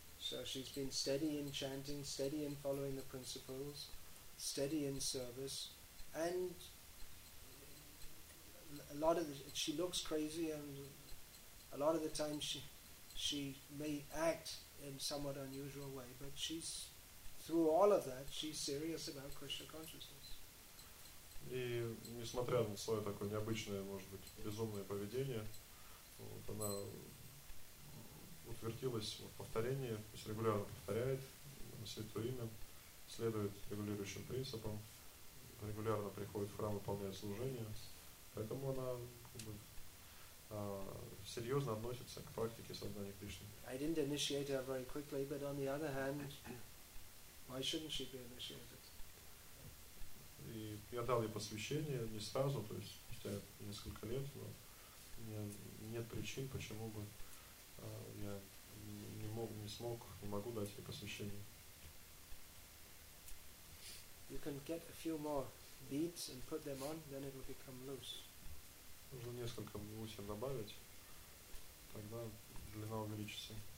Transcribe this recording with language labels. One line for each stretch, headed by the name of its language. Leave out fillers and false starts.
English: So she's been steady in chanting, steady in following the principles, steady in service, and a lot of she looks crazy, and a lot of the time she may act in somewhat unusual way, but she's through all of that, she's serious about Krishna consciousness.
Russian: И несмотря на свое такое необычное, может быть, безумное поведение, вот она утвердилась в повторении, то есть регулярно повторяет святое имя, следует регулирующим принципам, регулярно приходит в храм, выполняет служение. Поэтому она как бы серьезно относится к практике сознания Кришны.
English: I didn't initiate her very quickly, but on the other hand, why shouldn't she be initiated?
Russian: И я дал ей посвящение не сразу, то есть спустя несколько лет, но нет причин, почему бы я не могу дать ей посвящение.
English: You can get a few more beads and put them on, then it will become loose.
Russian: Нужно несколько бусин добавить, тогда длина увеличится.